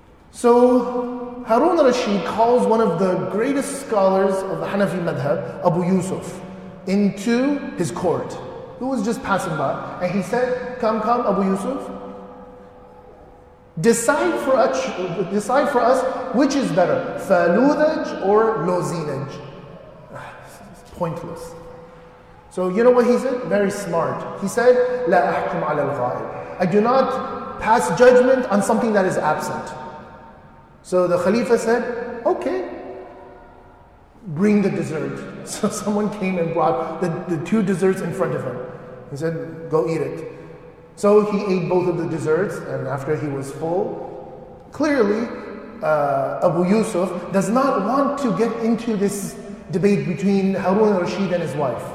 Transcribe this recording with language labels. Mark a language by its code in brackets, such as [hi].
[en] So Harun al-Rashid calls one of the greatest scholars of the Hanafi madhab, Abu Yusuf, into his court, who was just passing by, and he said, come, Abu Yusuf, decide for us which is better, faludaj or lozinaj. Pointless. So you know what he said? Very smart. He said, [ar] لا أحكم على الغائب. [en] I do not pass judgment on something that is absent. So the Khalifa said, okay, bring the dessert. So someone came and brought the two desserts in front of him. He said, go eat it. So he ate both of the desserts, and after he was full, clearly Abu Yusuf does not want to get into this debate between Harun al-Rashid and his wife.